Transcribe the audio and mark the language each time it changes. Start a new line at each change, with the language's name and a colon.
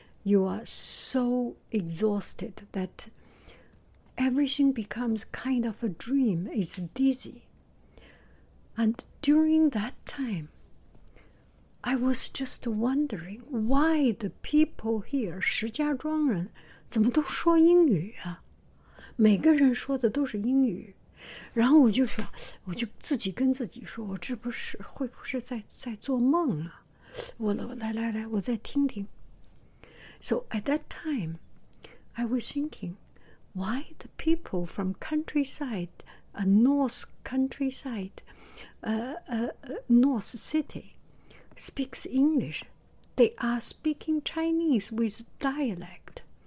English: You are so exhausted that everything becomes kind of a dream. It's dizzy. And during that time, I was just wondering why the people here,
Chinese: 石家庄人, 怎么都说英语啊? 每个人说的都是英语, 然后我就说, 我就自己跟自己说, 我这不是, 会不是在做梦啊? 我来来来, 我再听听。
English: So at that time, I was thinking, why the people from countryside, a north countryside, north city, speaks English. They are speaking Chinese with dialect.